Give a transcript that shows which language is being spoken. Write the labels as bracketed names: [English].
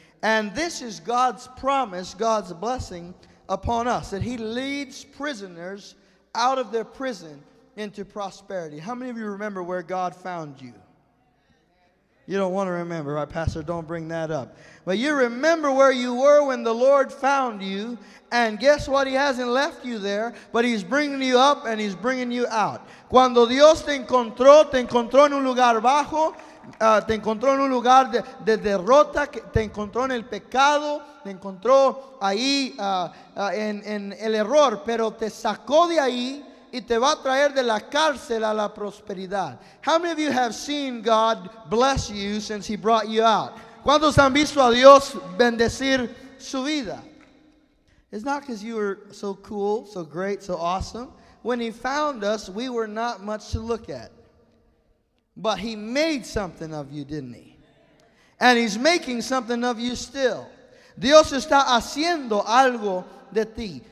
[English] And this is God's promise, God's blessing upon us, that he leads prisoners out of their prison into prosperity. How many of you remember where God found you? You don't want to remember, right, Pastor? Don't bring that up. But you remember where you were when the Lord found you. And guess what? He hasn't left you there, but he's bringing you up and he's bringing you out. [Spanish] Cuando Dios te encontró en un lugar bajo, te encontró en un lugar de derrota, te encontró en el pecado, te encontró ahí en el error, pero te sacó de ahí y te va a traer de la cárcel a la prosperidad. [English] How many of you have seen God bless you since he brought you out? [Spanish] ¿Cuántos han visto a Dios bendecir su vida? [English] It's not because you were so cool, so great, so awesome. When he found us, we were not much to look at. But he made something of you, didn't he? And he's making something of you still. [Spanish] Dios está haciendo algo de ti.